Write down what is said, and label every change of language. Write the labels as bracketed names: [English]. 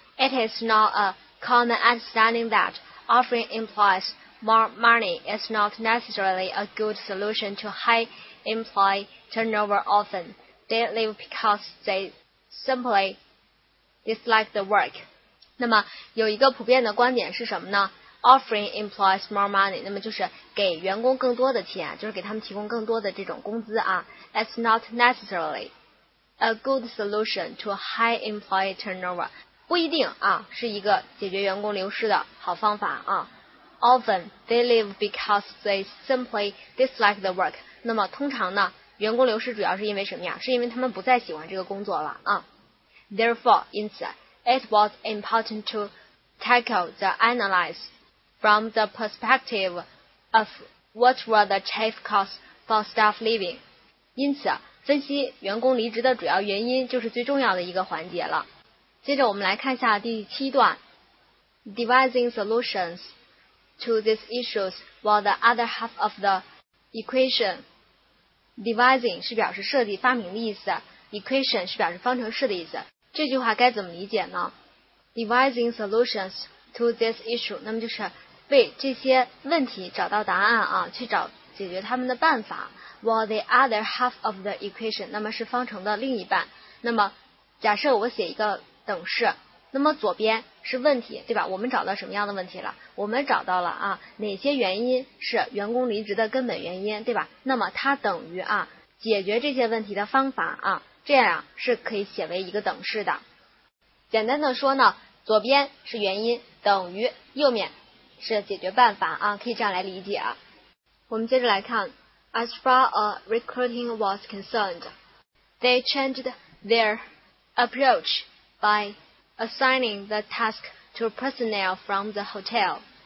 [English] ，it is not a common understanding that offering employees more money is not necessarily a good solution to high employee turnover often. They leave because they simply dislike the work. [Chinese] 那么有一个普遍的观点是什么呢 [English] ？Offering employees more money， [Chinese] 那么就是给员工更多的钱，就是给他们提供更多的这种工资啊。 [English] It's not necessarily a good solution to high employee turnover. [Chinese] 不一定啊，是一个解决员工流失的好方法啊。 [English] Often they leave because they simply dislike the work. [Chinese] 那么通常呢，员工流失主要是因为什么呀？是因为他们不再喜欢这个工作了啊。 [English] Therefore, [Chinese] 因此 [English] ，it was important to tackle the analysis from the perspective of what were the chief causes for staff leaving. [Chinese] 因此，分析员工离职的主要原因就是最重要的一个环节了。接着我们来看一下第七段 [English] ，devising solutions. To these issues, while the other half of the equation, [Chinese] devising 是表示设计、发明的意思 ，equation 是表示方程式的意思。这句话该怎么理解呢 [English] ？Devising solutions to this issue， [Chinese] 那么就是为这些问题找到答案啊，去找解决他们的办法。 [English] While the other half of the equation， [Chinese] 那么是方程的另一半。那么假设我写一个等式。那么左边是问题，对吧？我们找到什么样的问题了？我们找到了啊，哪些原因是员工离职的根本原因，对吧？那么它等于啊，解决这些问题的方法啊，这样是可以写为一个等式的。简单的说呢，左边是原因，等于右面是解决办法啊，可以这样来理解啊。我们接着来看 [English] ，As far as recruiting was concerned, they changed their approach by assigning the task to personnel from the hotel.